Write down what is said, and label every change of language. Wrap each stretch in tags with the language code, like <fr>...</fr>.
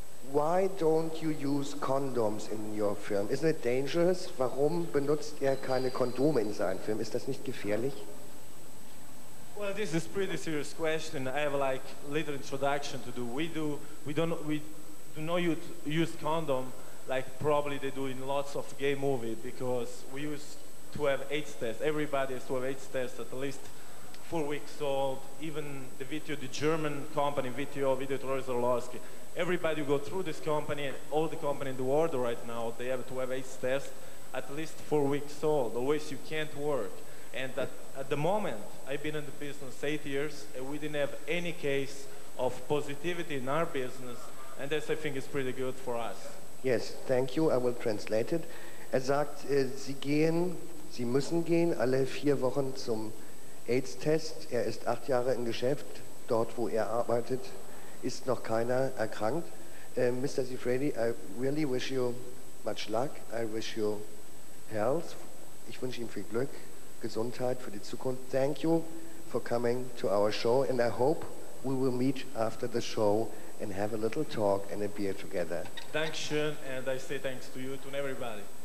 <en>Why don't you use condoms in your film? Isn't it dangerous?</en> <de>Warum benutzt er keine Kondome in seinem Film? Ist das nicht gefährlich?</de> <en>Well, this is a pretty serious question. I have like little introduction to do. We do not use condom like probably they do in lots of gay movies because we used to have AIDS tests. Everybody has to have AIDS tests at least 4 weeks old. Even the Vito, the German company Vito, Vito Trozorowski. Everybody who go through this company, and all the company in the world right now, they have to have AIDS test at least 4 weeks old. Otherwise, you can't work. And at the moment, I've been in the business 8 years, and we didn't have any case of positivity in our business. And that, I think, is pretty good for us. Yes, thank you. I will translate it.</en> <de>Er sagt, Sie müssen gehen alle 4 Wochen zum AIDS-Test. Er ist 8 Jahre im Geschäft, dort, wo er arbeitet. ist noch keiner erkrankt.</de> <en>Mr. Zifredi, I really wish you much luck. I wish you health.</en> <de>Ich wünsche Ihnen viel Glück, Gesundheit für die Zukunft.</de> <en>Thank you for coming to our show and I hope we will meet after the show and have a little talk and a beer together. Thank you, and I say thanks to you, to everybody.</en>